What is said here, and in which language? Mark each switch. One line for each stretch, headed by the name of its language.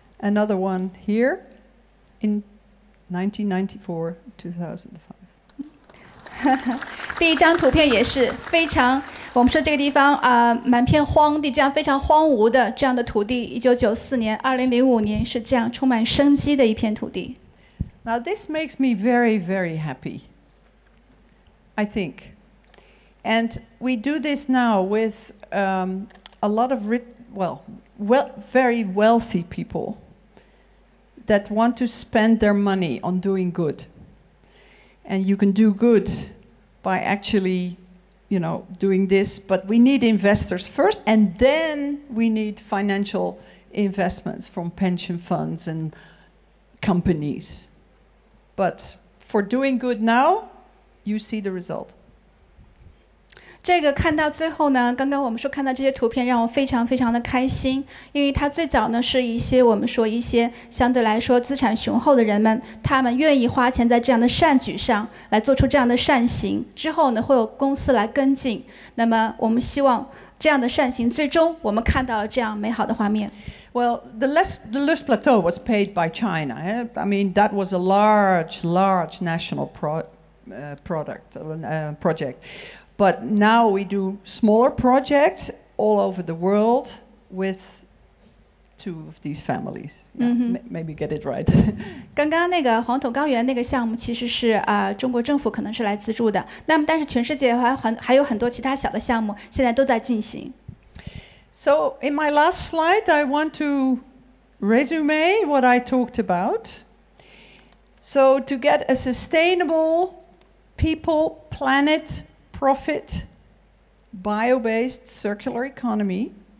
English: Another one here in 1994-2005.
Chinese: 第一张图片也是非常，我们说这个地方满片荒地，这样非常荒芜的这样的土地，1994年、2005年是这样充满生机的一片土地。
English: Now this makes me very, very happy, I think. And we do this now with a lot of very wealthy people that want to spend their money on doing good. And you can do good by actually, you know, doing this, but we need investors first, and then we need financial investments from pension funds and companies. But for doing good now, you see the result.
Chinese: 这个看到最后呢，刚刚我们说看到这些图片让我非常非常的开心，因为它最早呢是一些我们说一些相对来说资产雄厚的人们，他们愿意花钱在这样的善举上来做出这样的善行，之后呢会有公司来跟进，那么我们希望这样的善行最终我们看到了这样美好的画面。
English: Well, the Lush Plateau was paid by China. I mean, that was a large, large national project. But now we do smaller projects all over the world with two of these families. Yeah, maybe get it right.
Chinese: 刚刚那个黄土高原那个项目其实是中国政府可能是来资助的。那么但是全世界还有很多其他小的项目现在都在进行。
English: So in my last slide, I want to resume what I talked about. So to get a sustainable people, planet, profit, bio-based circular economy.